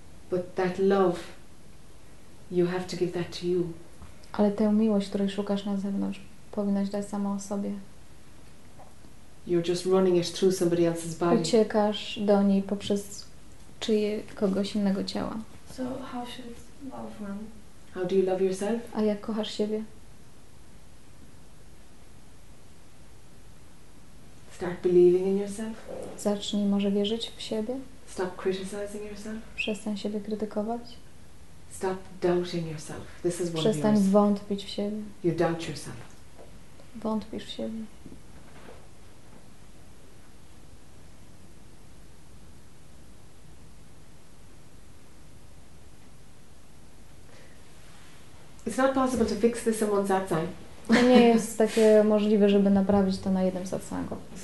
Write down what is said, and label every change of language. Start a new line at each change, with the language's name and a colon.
English: But that love, you have to give that to you.
Polish: Ale tę miłość, której szukasz na zewnątrz, powinnaś dać sama o sobie.
English: You're just running it through somebody else's body.
Polish: Uciekasz do niej poprzez kogoś innego ciała.
English: So how should love run? How do you love yourself?
Polish: A jak kochasz siebie?
English: Start believing in yourself.
Polish: Zacznij może wierzyć w siebie.
English: Stop criticizing yourself.
Polish: Przestań siebie krytykować.
English: Stop doubting yourself. This is what
Polish: Przestań wątpić w siebie.
English: You doubt yourself.
Polish: Wątpisz w siebie.
English: It's not possible to fix this in one satsang.
Polish: To nie jest takie możliwe, żeby naprawić to na jednym satsangu.